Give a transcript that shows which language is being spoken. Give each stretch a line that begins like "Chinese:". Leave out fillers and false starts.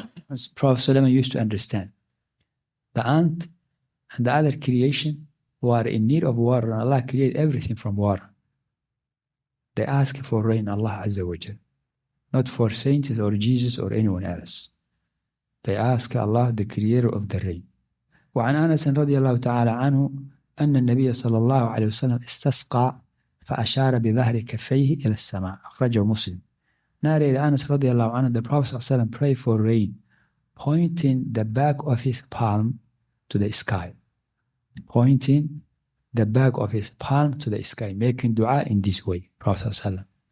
English: as Prophet Sallallahu Alaihi used to understand, the ant and the other creation who are in need of water, and Allah created everything from water, they ask for rain, Allah Azza wa Jal, not for saints or Jesus or anyone else. They ask Allah, the creator of the rain.
Arabic: وعن أنس رضي الله تعالى عنه أن النبي صلى الله عليه وسلم استسقى فأشار بظهر كفيه إلى السماء. أخرجه مسلم.
English: Narrated Anas رضي الله عنه, the Prophet صلى الله عليه وسلم prayed for rain, pointing the back of his palm to the sky. Pointing the back of his palm to the sky, making dua in this way, Prophet صلى الله عليه وسلم.